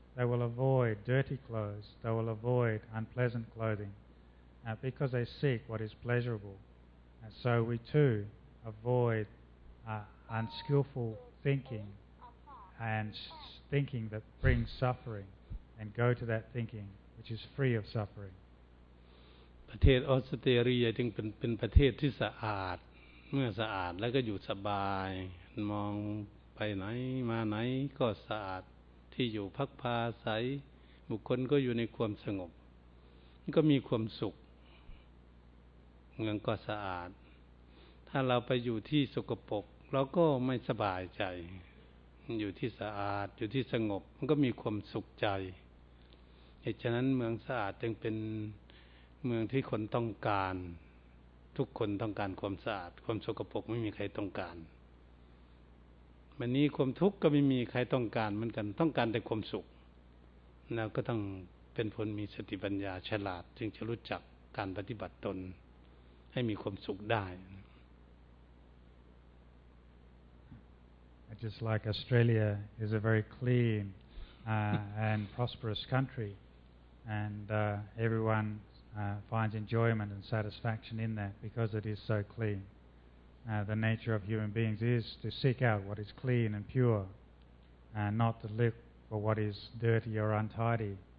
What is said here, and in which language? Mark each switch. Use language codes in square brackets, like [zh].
[en] They will avoid dirty clothes. They will avoid unpleasant clothing because they seek what is pleasurable. And so we too avoid unskillful thinking and thinking that brings suffering, and go to that thinking which is free of suffering. [th] ประเทศออสเตรเลียจึงเป็นประเทศที่สะอาดเมื่อสะอาดแล้วก็อยู่สบายมองไปไหนมาไหนก็สะอาดที่อยู่พักพาอาศัยบุคคลก็อยู่ในความสงบก็มีความสุข เมืองก็สะอาดถ้าเราไปอยู่ที่สกปรกเราก็ไม่สบายใจอยู่ที่สะอาดอยู่ที่สงบมันก็มีความสุขใจเหตุฉะนั้นเมืองสะอาดจึงเป็นเมืองที่คนต้องการทุกคนต้องการความสะอาดความสกปรกไม่มีใครต้องการ วันนี้ความทุกข์ก็ไม่มีใครต้องการเหมือนกันต้องการแต่ความสุขแล้วก็ต้องเป็นคนมีสติปัญญาฉลาดจึงจะรู้จักการปฏิบัติตนให้มีความสุขได้ [en] Just like Australia is a very clean and prosperous country and everyonefinds enjoyment and satisfaction in that because it is so clean. The nature of human beings is to seek out what is clean and pure and not to look for what is dirty or untidy.